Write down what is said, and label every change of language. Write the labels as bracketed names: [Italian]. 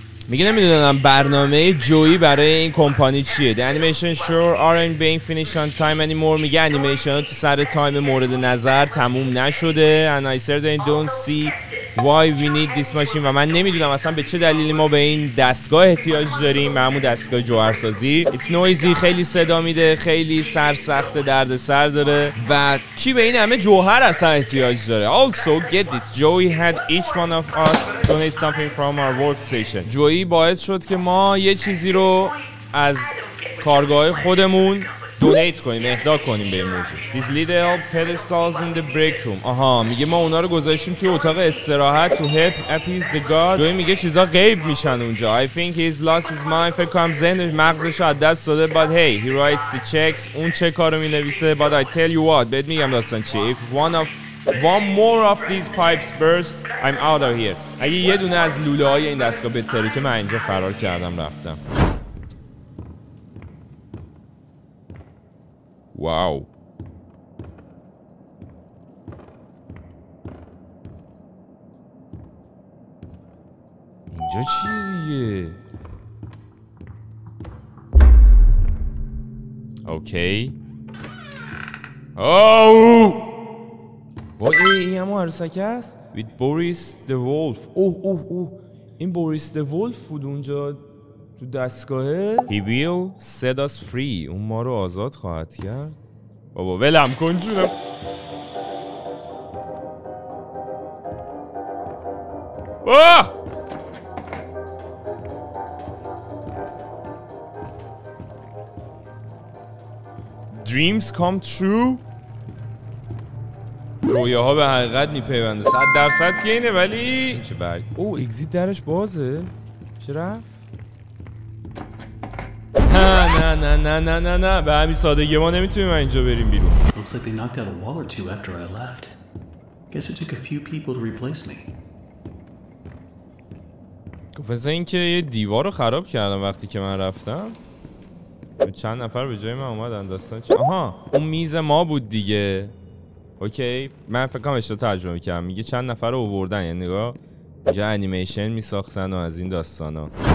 [Persian] میگه نمیدونم برنامه جویی برای این کمپانی چیه. [English] The animation sure aren't being finished on time anymore. [Persian] میگه انیمیشن تو سر تایم مورد نظر تموم نشده. [English] And I certainly don't see why we need this machine. [Persian] و من نمیدونم اصلا به چه دلیلی ما به این دستگاه احتیاج داریم، معمول دستگاه جوهرسازی. [English] It's noisy، [Persian] خیلی صدا میده، خیلی سرسخت، درد سر داره. و کی به این همه جوهر اصلا احتیاج داره؟ [English] Also get this، Joey had each one of us donate something from our workstation. [Persian] جویی باعث شد که ما یه چیزی رو از کارگاه خودمون دونیت کنیم، اهدا کنیم به این موضوع. [English] This little pedestals in the break room. [Persian] آها میگه ما اونا رو گذاشتیم توی اتاق استراحت. [English] To help appease the guard. [Persian] جویی میگه چیزا غیب میشن اونجا. [English] I think he's lost his mind. [Persian] فکر کنم ذهنش مغزش رو از دست داده. [English] But hey, he writes the checks. [Persian] اون چه کار رو مینویسه. [English] But I tell you what. [Persian] بهت میگم داستان چی. [English] If one more of these pipes burst, I'm out of here. [Persian] اگه یه دونه از لوله های این دستگاه بتره که من اینجا فرار کردم رفتم. واو اینجا چیه؟ اوکی اوو وای این همون عروسک هست؟ [English] With Boris the Wolf. [Persian] این Boris the Wolf بود اونجا تو دستگاهه؟ [English] He will set us free. [Persian] اون ما رو آزاد خواهد کرد. بابا ولم کن جونم. آه! [English] Dreams come true. [Persian] رویاها به حقیقت میپیونده. 100% که اینه ولی این چه برگ. او اگزیت درش بازه. چه رفت؟ نه نه نه نه نه نه نه به همین سادگی ما نمیتونیم اینجا بریم بیرون. [English] Looks like they knocked out a wall or two after I left. Guess it took a few people to replace me. [Persian] گفتن اینکه یه دیوار رو خراب کردم وقتی که من رفتم. چند نفر به جای من اومدن داستان چه؟ آها اون میز ما بود دیگه. اوکی من فکرم اشتا ترجمه میکرم. میگه چند نفر رو اووردن، یعنی نگاه اینجا انیمیشن میساختن و از این داستان ها.